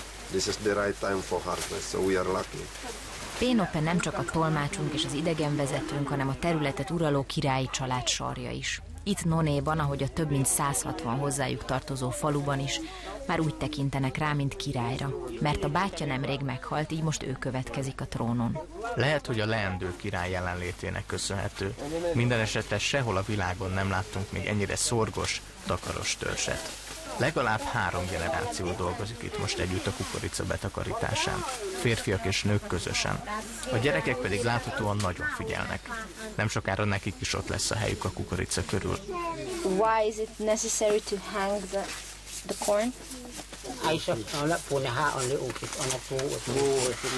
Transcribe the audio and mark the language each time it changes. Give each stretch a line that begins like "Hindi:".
English: This is the right time for harvest, so we are lucky.
Hungarian: Pénope nem csak a tolmácsunk és az idegenvezetőnk, hanem a területet uraló királyi család sarja is. Itt Nonéban, ahogy a több mint 160 hozzájuk tartozó faluban is, már úgy tekintenek rá, mint királyra. Mert a bátyja nemrég meghalt, így most ő következik a trónon. Lehet, hogy a leendő király jelenlétének köszönhető. Minden esetre sehol a világon nem láttunk még ennyire szorgos, takaros törzset. Legalább három generáció dolgozik itt most együtt a kukorica betakarításán, férfiak és nők közösen. A gyerekek pedig láthatóan nagyon figyelnek. Nem sokára nekik is ott lesz a helyük a kukorica körül.
English: Why is it necessary to hang the corn? I shall not put a hat on the oak on the floor.